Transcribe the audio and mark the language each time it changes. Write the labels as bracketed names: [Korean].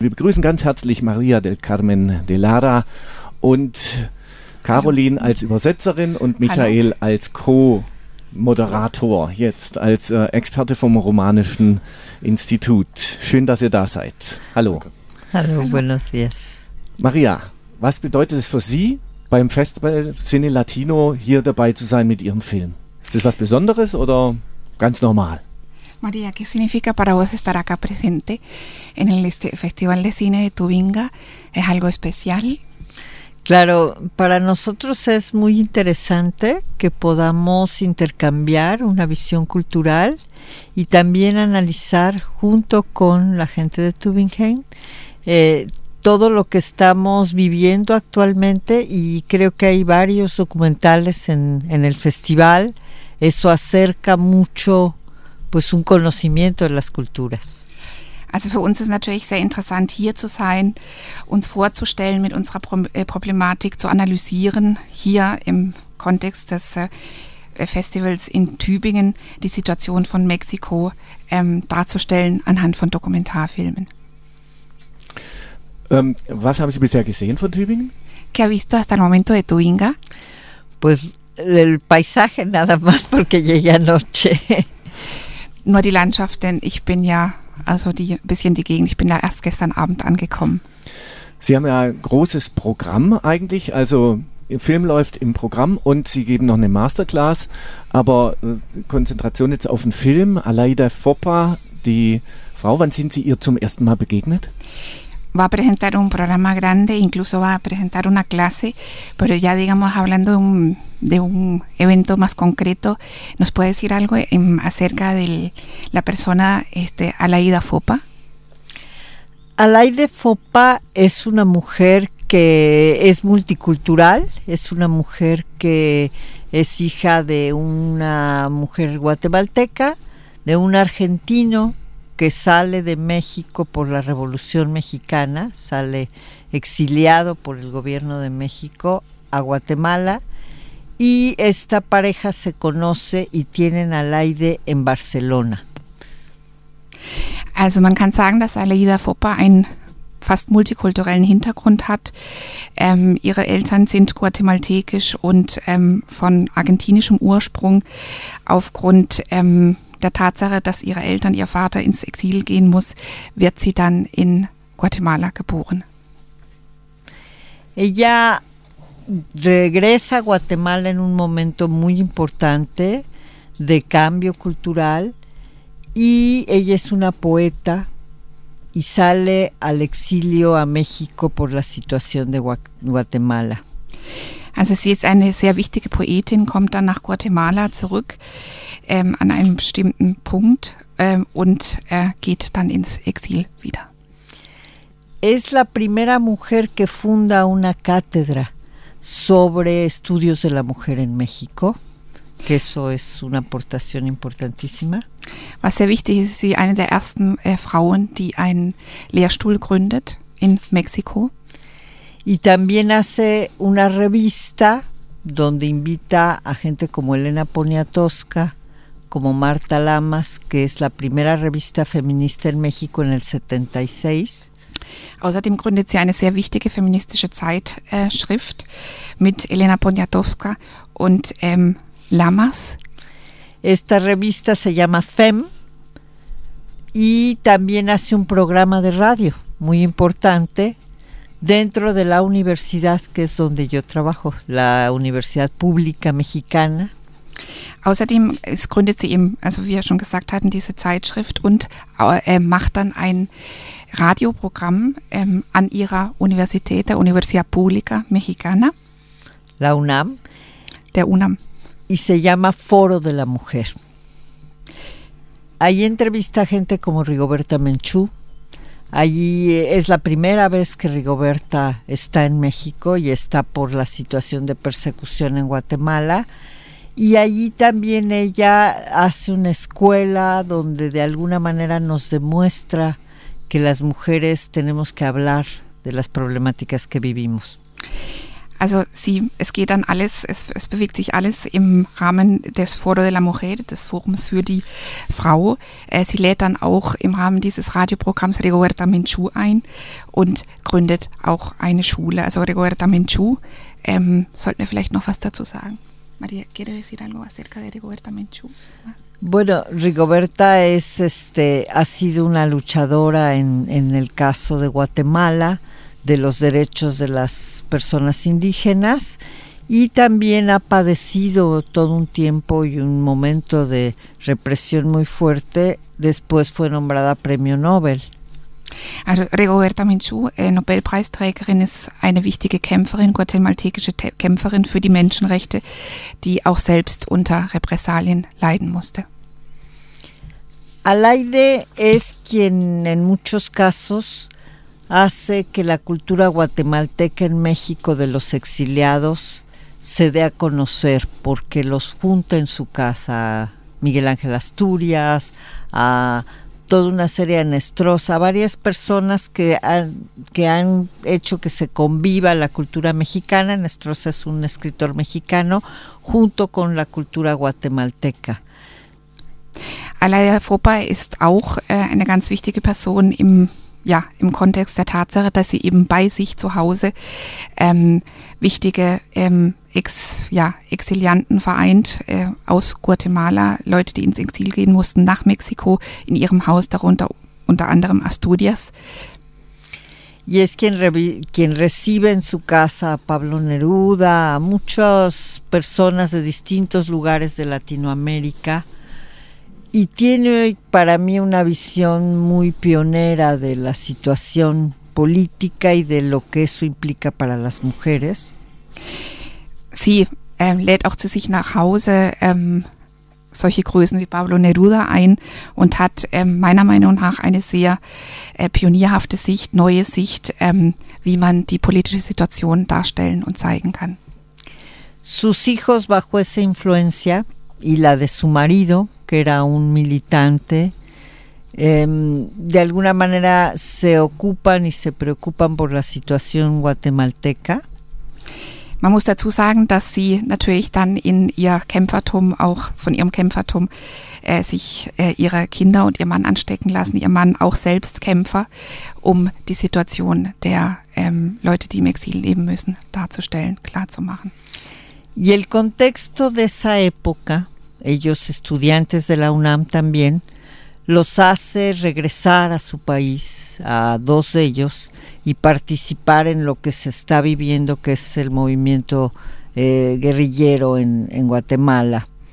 [German] Wir begrüßen ganz herzlich Maria del Carmen de Lara und Caroline als Übersetzerin und Michael als Co-Moderator, jetzt als Experte vom Romanischen Institut. Schön, dass ihr da seid. Hallo. Hallo, [Spanish] buenos dias. [German] Maria, was bedeutet es für Sie, beim Festival Cine Latino hier dabei zu sein mit Ihrem Film? Ist das was Besonderes oder ganz normal? [Spanish] María, ¿qué significa para vos estar acá presente en el Festival de Cine de Tubinga? ¿Es algo especial? Claro, para nosotros es muy interesante que podamos intercambiar una visión cultural y también analizar junto con la gente de Tübingen todo lo que estamos viviendo actualmente, y creo que hay varios documentales en el festival. Eso acerca mucho pues un conocimiento de las culturas. [German] Also für uns ist natürlich sehr interessant, hier zu sein, uns vorzustellen, mit unserer Problematik zu analysieren, hier im Kontext des Festivals in Tübingen die Situation von Mexiko darzustellen anhand von Dokumentarfilmen. Was haben Sie bisher gesehen von Tübingen? [Spanish] ¿Qué ha visto hasta el momento de Tubinga? Pues el paisaje nada más porque llegué anoche. [German] Nur die Landschaft, denn ich bin ja, also ein bisschen die Gegend, ich bin da erst gestern Abend angekommen. Sie haben ja ein großes Programm eigentlich, also Ihr Film läuft im Programm und Sie geben noch eine Masterclass, aber Konzentration jetzt auf den Film, Aleida Foppa, die Frau, wann sind Sie ihr zum ersten Mal begegnet? [Spanish] Va a presentar un programa grande, incluso va a presentar una clase, pero ya digamos hablando de un evento más concreto, ¿nos puede decir algo acerca de la persona Aleida Foppa? Aleida Foppa es una mujer que es multicultural, es una mujer que es hija de una mujer guatemalteca, de un argentino, que sale de México por la Revolución Mexicana, sale exiliado por el gobierno de México a Guatemala, y esta pareja se conoce y tienen al Aide en Barcelona. [German] Also man kann sagen, dass Aleida Foppa einen fast multikulturellen Hintergrund hat. Ihre Eltern sind guatemaltekisch und von argentinischem Ursprung. Aufgrund der Tatsache, dass ihre Eltern, ihr Vater ins Exil gehen muss, wird sie dann in Guatemala geboren. [Spanish] Ella regresa a Guatemala en un momento muy importante de cambio cultural, y ella es una poeta y sale al exilio a México por la situación de Guatemala. [German] Also sie ist eine sehr wichtige Poetin, kommt dann nach Guatemala zurück an einem bestimmten Punkt und geht dann ins Exil wieder. [Spanish] Es la primera mujer que funda una cátedra sobre estudios de la mujer en México, que eso es una aportación importantísima. [German] Was sehr wichtig ist, sie eine der ersten Frauen, die einen Lehrstuhl gründet in Mexiko. [Spanish] Y también hace una revista donde invita a gente como Elena Poniatowska, como Marta Lamas, que es la primera revista feminista en México en el 76. [German] Außerdem gründet sie eine sehr wichtige feministische Zeitschrift mit Elena Poniatowska und Lamas. [Spanish] Esta revista se llama Femme y también hace un programa de radio muy importante dentro de la universidad, que es donde yo trabajo, la Universidad Pública Mexicana. [German] Außerdem gründet sie eben, also wie wir schon gesagt hatten, diese Zeitschrift und macht dann ein Radioprogramm an ihrer Universität, der Universidad Pública Mexicana. [Spanish] La UNAM. [German] Der UNAM. [Spanish] Y se llama Foro de la Mujer. Ahí entrevista gente como Rigoberta Menchú. Allí es la primera vez que Rigoberta está en México y está por la situación de persecución en Guatemala. Y allí también ella hace una escuela donde de alguna manera nos demuestra que las mujeres tenemos que hablar de las problemáticas que vivimos. [German] Also sie, es geht dann alles, es, es bewegt sich alles im Rahmen des Foro de la Mujer, des Forums für die Frau. Sie lädt dann auch im Rahmen dieses Radioprogramms Rigoberta Menchú ein und gründet auch eine Schule. Also Rigoberta Menchú, sollten wir vielleicht noch was dazu sagen? [Spanish] María, ¿quiere decir algo acerca de Rigoberta Menchú? Bueno, Rigoberta es, este, ha sido una luchadora en el caso de Guatemala, de los derechos de las personas indígenas, y también ha padecido todo un tiempo y un momento de represión muy fuerte. Después fue nombrada Premio Nobel. [German] Also Rigoberta Menchú, Nobelpreisträgerin, ist eine wichtige Kämpferin, guatemaltekische Kämpferin für die Menschenrechte, die auch selbst unter Repressalien leiden musste. [Spanish] Alaide es quien en muchos casos hace que la cultura guatemalteca en México de los exiliados se dé a conocer, porque los junta en su casa a Miguel Ángel Asturias, a toda una serie de Nestroz, a varias personas que han hecho que se conviva la cultura mexicana. Nestroz es un escritor mexicano, junto con la cultura guatemalteca. [German] Alaide Fopa ist auch eine ganz wichtige Person im, ja, im Kontext der Tatsache, dass sie eben bei sich zu Hause wichtige Exilianten vereint aus Guatemala, Leute, die ins Exil gehen mussten, nach Mexiko, in ihrem Haus, darunter unter anderem Asturias. [Spanish] Y es quien recibe en su casa a Pablo Neruda, a muchas personas de distintos lugares de Latinoamérica. Y tiene para mí una visión muy pionera de la situación política y de lo que eso implica para las mujeres. [German] Sí, lädt auch zu sich nach Hause solche Größen wie Pablo Neruda ein und hat meiner Meinung nach eine sehr pionierhafte Sicht, neue Sicht, wie man die politische Situation darstellen und zeigen kann. [Spanish] Sus hijos bajo esa influencia y la de su marido, que era un militante, de alguna manera se ocupan y se preocupan por la situación guatemalteca. [German] Man muss dazu sagen, dass sie natürlich dann in ihr Kämpfertum, auch von ihrem Kämpfertum, sich ihre Kinder und ihr Mann anstecken lassen, ihr Mann auch selbst Kämpfer, um die Situation der Leute, die im Exil leben müssen, darzustellen, klarzumachen. [Spanish] Y el contexto de esa época, ellos estudiantes de la UNAM también, los hace regresar a su país, a dos de ellos, y participar en lo que se está viviendo, que es el movimiento guerrillero en Guatemala.